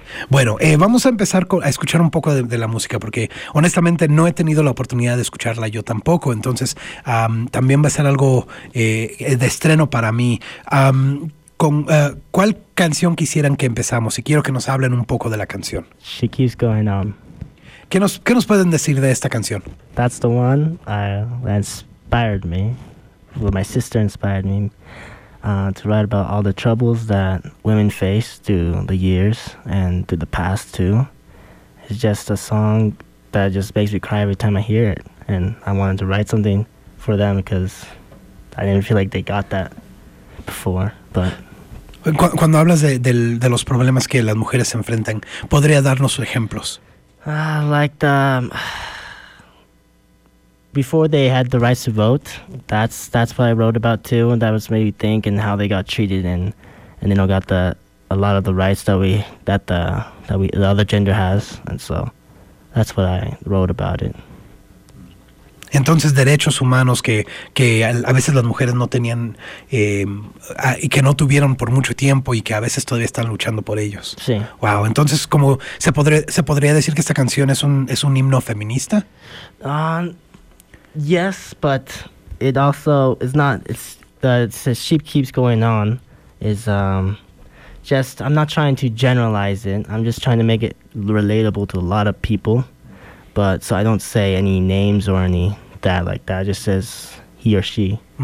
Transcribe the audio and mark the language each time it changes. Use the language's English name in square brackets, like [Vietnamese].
[Spanish] Bueno, vamos a empezar a escuchar un poco de la música, porque honestamente no he tenido la oportunidad de escucharla yo tampoco, entonces también va a ser algo de estreno para mí. ¿Cuál canción quisieran que empezamos? Y quiero que nos hablen un poco de la canción. [English] She Keeps Going On. [Spanish] ¿Qué nos pueden decir de esta canción? [English] That's the one that inspired me. Well, my sister inspired me. To write about all the troubles that women face through the years and through the past too. It's just a song that just makes me cry every time I hear it. And I wanted to write something for them because I didn't feel like they got that before. But [Spanish] cuando hablas de los problemas que las mujeres enfrentan, ¿podría darnos ejemplos? [English] Like the before they had the rights to vote, that's what I wrote about too, and that was maybe thinking how they got treated and they don't got a lot of the rights that the other gender has, and so that's what I wrote about it. [Spanish] Entonces derechos humanos que a veces las mujeres no tenían y que no tuvieron por mucho tiempo y que a veces todavía están luchando por ellos. Sí. [English] Wow. [Spanish] Entonces, ¿cómo se podría decir que esta canción es un himno feminista? [English] Yes, but it also is not. It says "She Keeps Going On" is just. I'm not trying to generalize it. I'm just trying to make it relatable to a lot of people. But so I don't say any names or any that like that. It just says he or she.